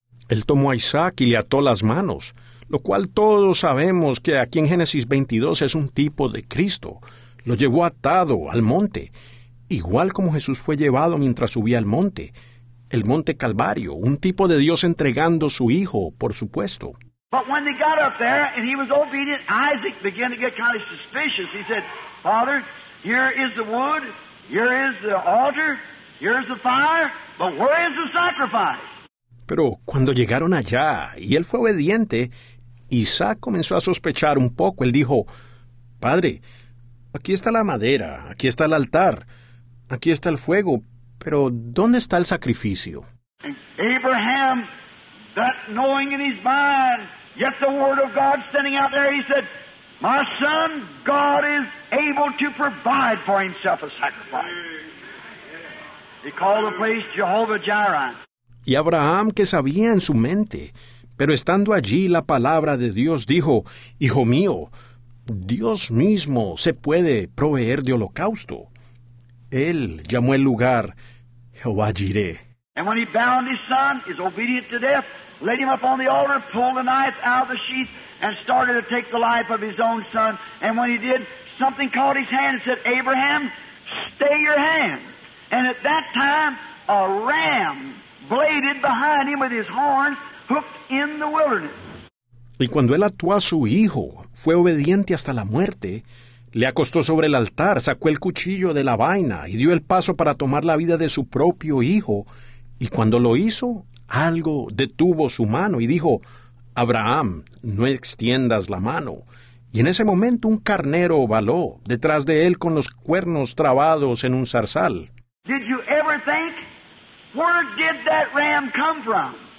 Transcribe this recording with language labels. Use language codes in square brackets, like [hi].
[es] Él tomó a Isaac y le ató las manos, lo cual todos sabemos que aquí en Génesis 22 es un tipo de Cristo. Lo llevó atado al monte, igual como Jesús fue llevado mientras subía al monte, el monte Calvario, un tipo de Dios entregando su Hijo, por supuesto. [en] But when they got up there and he was obedient, Isaac began to get kind of suspicious. He said, Father, here is the wood, here is the altar, here is the fire, but where is the sacrifice? [es] Pero cuando llegaron allá y él fue obediente, Isaac comenzó a sospechar un poco. Él dijo, Padre, aquí está la madera, aquí está el altar, aquí está el fuego, pero ¿dónde está el sacrificio? [en] Abraham, that knowing in his mind, yet the word of God standing out there, he said, My son, God is able to provide for himself a sacrifice. He called the place Jehovah Jireh. [es] Y Abraham, que sabía en su mente, pero estando allí la palabra de Dios, dijo, Hijo mío, Dios mismo se puede proveer de holocausto. Él llamó el lugar Jehová Jireh. [en] And when he bound his son, his obedient to death, laid him up on the altar, pulled the knife out of the sheath, and started to take the life of his own son. And when he did, something caught his hand and said, Abraham, stay your hand. And at that time, a ram bladed behind him with his horns hooked in the wilderness. [es] Y cuando él ató a su hijo, fue obediente hasta la muerte, le acostó sobre el altar, sacó el cuchillo de la vaina y dio el paso para tomar la vida de su propio hijo. Y cuando lo hizo, algo detuvo su mano y dijo, Abraham, no extiendas la mano. Y en ese momento un carnero baló detrás de él con los cuernos trabados en un zarzal. [en] Did you ever think, where did that ram come from?